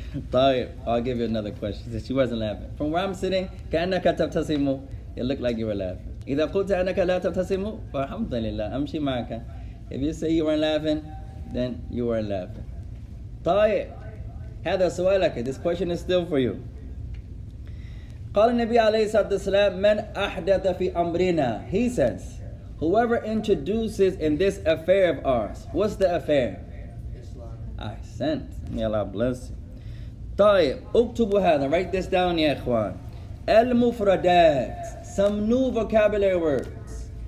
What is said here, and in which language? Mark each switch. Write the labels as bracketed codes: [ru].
[en] طيب, I'll give you another question, since you wasn't laughing. From where I'm sitting, [ar] كَأَنَّكَ تَبْتَسِمُ. [en] It looked like you were laughing. [ar] إذا قلت أنك لا تبتسم فالحمد لله أمشي معك. [en] If you say you weren't laughing, then you weren't laughing. [ar] طيب هذا سؤالك. [en] This question is still for you. [ar] قال النبي عليه الصلاة والسلام من أحدث في أمرنا. [en] He says, whoever introduces in this affair of ours. What's the affair? Islam. أحسنت. May Allah bless you. [ar] طيب أكتب هذا. [en] Write this down يا إخوان. [ar] المفردات. [en] Some new vocabulary words.